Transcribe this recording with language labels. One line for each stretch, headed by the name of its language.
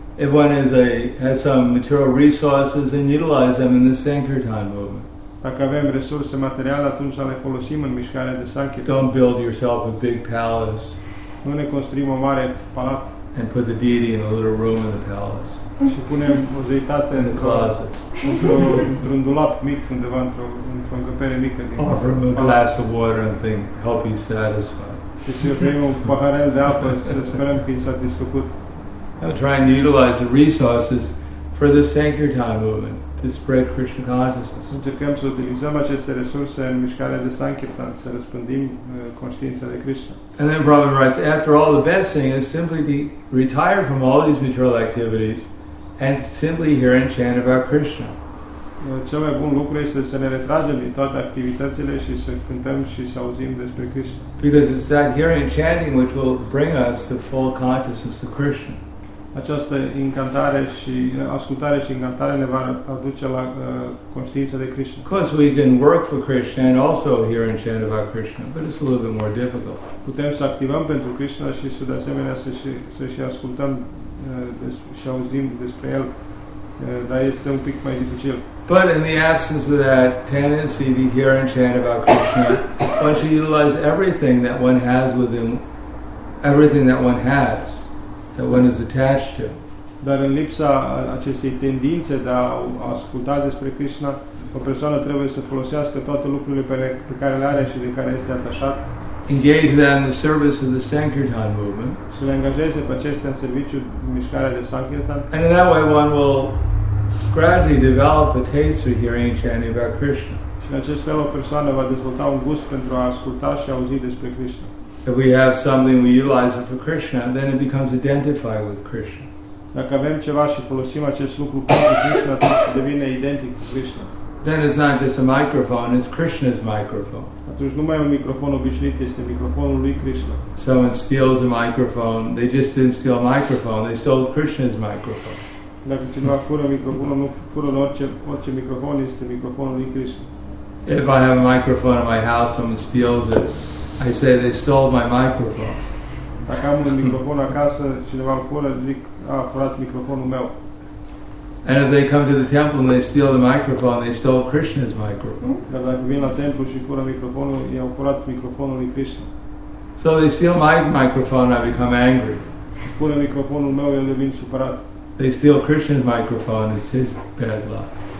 English: If one has some material resources, then utilize them in the Sankirtan movement.
Romanian: Dacă avem resurse materiale, atunci le folosim în mișcarea de sankirtan.
English: Don't build yourself a big palace.
Romanian: Nu ne construim o mare palat.
English: And put the deity in a little room in the palace.
Romanian: Și punem o zeitate
English: in the closet.
Romanian: Într-un dulap mic undeva, într-o încăpere mică.
English: Offer him a glass of water and think, hope he's satisfied.
Romanian: Și să-i oferim un paharel de apă să sperăm că e satisfăcut.
English: Now trying to utilize the resources for the sankirtan movement to spread Krishna consciousness.
Romanian: Încercăm să utilizăm aceste resurse în mișcarea de sankirtan, să răspândim conștiința de Krishna.
English: And then Prabhupada writes, after all, the best thing is simply to retire from all these material activities and simply hear and chant about Krishna.
Romanian: Cel mai bun lucru este să ne retragem din toate activitățile și să cântăm și să auzim despre Krishna.
English: Because it's that hearing and chanting which will bring us the full consciousness of Krishna.
Romanian: Această încântare și ascultare și încântare ne va aduce la conștiința de Krishna.
English: Of course, we can work for Krishna and also hear and chant about Krishna, but it's a little bit more difficult.
Romanian: Putem să activăm pentru Krishna și să de asemenea să și ascultăm și auzim despre el, dar este un pic mai dificil.
English: But in the absence of that tendency to hear and chant about Krishna, one should utilize everything that one has within, everything that one has. That one is attached to.
Romanian: Dar în lipsa acestei tendințe de a asculta despre Krishna, o persoană trebuie să folosească toate lucrurile pe care le are și de care este atașat.
English: Engage them in the service of the Sankirtan movement.
Romanian: Să le angajeze pe acestea în serviciul mișcarea de Sankirtan.
English: And in that way one will gradually develop a taste for hearing and chanting about Krishna.
Romanian: Și în acest fel o persoană va dezvolta un gust pentru a asculta și auzi despre Krishna.
English: If we have something, we utilize it for Krishna, then it becomes identified with Krishna.
Romanian: Dacă avem ceva și folosim acest lucru pentru Krishna, atunci devine identic cu Krishna.
English: Then it's not just a microphone, it's Krishna's microphone.
Romanian: Atunci nu mai e un microfon obișnuit, este microfonul lui Krishna.
English: Someone steals a microphone, they just didn't steal a microphone, they stole Krishna's microphone.
Romanian: Dacă cineva fură microfonul, nu fură orice microfon, este microfonul lui Krishna.
English: If I have a microphone in my house, someone steals it, I say they stole my microphone.
Romanian: Dacă am un microfon acasă, cineva îl fură, zic, a furat microfonul meu.
English: And if they come to the temple and they steal the microphone, they stole Krishna's microphone.
Romanian: Dar dacă vin la templu și fură microfonul, i-au furat microfonul lui Krishna.
English: So they steal my microphone, I become angry.
Romanian: Fură microfonul meu, eu devin supărat.
English: They steal Krishna's microphone, it's his bad luck.